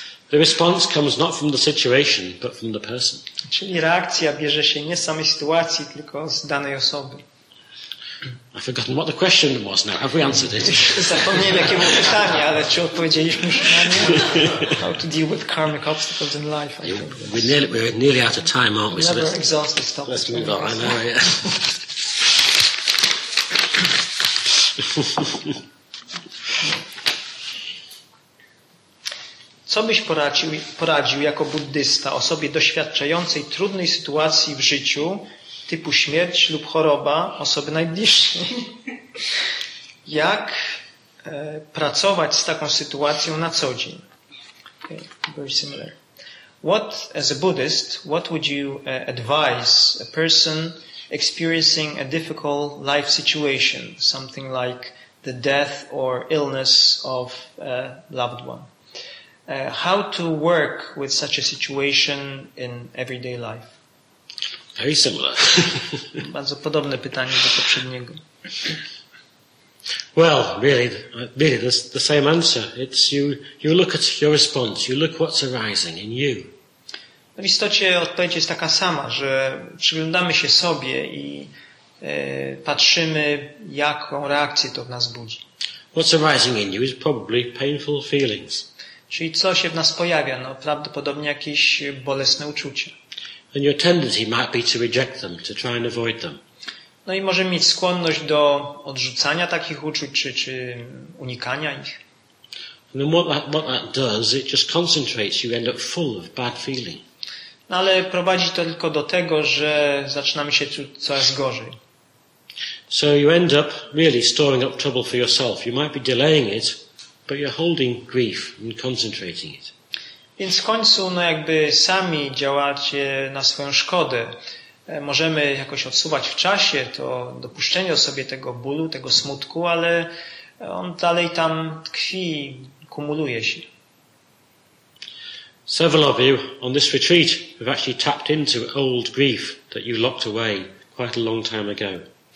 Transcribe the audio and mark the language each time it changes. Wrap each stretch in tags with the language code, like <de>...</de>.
<en>The response comes not from the situation, but from the person.</en> <pl>Czyli reakcja bierze się nie z samej sytuacji, tylko z danej osoby.</pl> <en>I've forgotten what the question was now. Have we answered it?</en> <pl>Zapomniałem, jakie było pytanie, ale czy odpowiedzieliśmy już na nie?</pl> <en>How to deal with karmic obstacles in life? We're nearly out of time, aren't we? Never exhausted. Stop. Let's move on. I know. Yeah.</en> <pl>Co byś poradził jako buddysta osobie doświadczającej trudnej sytuacji w życiu? Typu śmierć lub choroba osoby najbliższej. Jak pracować z taką sytuacją na co dzień?</pl> <en>Okay, very similar. What, as a Buddhist, what would you advise a person experiencing a difficult life situation, something like the death or illness of a loved one? How to work with such a situation in everyday life? Very similar.</en> <pl>Bardzo podobne pytanie do poprzedniego.</pl> <en>Well, really, the same answer. It's you look at your response, you look what's arising in you.</en> <pl>W istocie odpowiedź jest taka sama, że przyglądamy się sobie i patrzymy, jaką reakcję to w nas budzi.</pl> <en>What's arising in you is probably painful feelings.</en> <pl>Czyli co się w nas pojawia? No, prawdopodobnie jakieś bolesne uczucia.</pl> <en>And your tendency might be to reject them, to try and avoid them.</en> <pl>No i może mieć skłonność do odrzucania takich uczuć, czy unikania ich.</pl> <en>And what that does, it just concentrates you, end up full of bad feeling.</en> <pl>No ale prowadzi to tylko do tego, że zaczynamy się czuć coraz gorzej.</pl> <en>So you end up really storing up trouble for yourself. You might be delaying it, but you're holding grief and concentrating it.</en> <pl>Więc w końcu no jakby sami działacie na swoją szkodę. Możemy jakoś odsuwać w czasie to dopuszczenie sobie tego bólu, tego smutku, ale on dalej tam tkwi, kumuluje się.</pl> <en>Several of you on this retreat have actually tapped into old grief that you locked away quite a long time ago.</en>